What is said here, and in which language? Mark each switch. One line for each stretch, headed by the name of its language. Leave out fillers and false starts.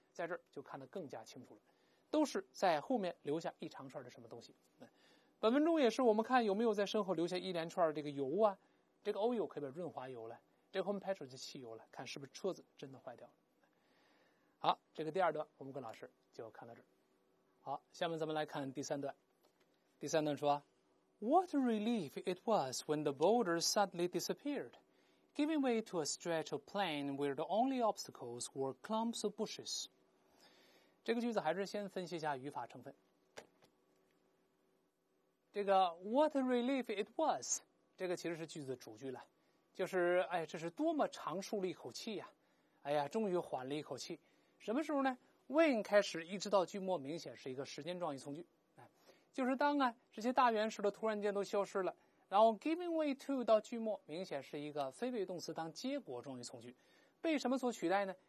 Chinese: 在这儿就看得更加清楚了，都是在后面留下一长串的什么东西。本文中也是，我们看有没有在身后留下一连串这个油啊，这个 oil 可以把润滑油了，这个 home petrol 就汽油了，看是不是车子真的坏掉了。好，这个第二段我们跟老师就看到这儿。好，下面咱们来看第三段。第三段说，
English: What a relief it was when the boulder suddenly disappeared, giving way to a stretch of plain where the only obstacles were clumps of bushes.
Chinese: 这个句子还是先分析一下语法成分。这个
English: What a relief it was,
Chinese: 这个其实是句子主句了，就是哎，这是多么长舒了一口气呀、啊！哎呀，终于缓了一口气。什么时候呢？ When 开始一直到句末，明显是一个时间状语从句。就是当啊这些大原石的突然间都消失了，然后
English: giving way to
Chinese: 到句末明显是一个非被动词当结果状语从句，被什么所取代呢？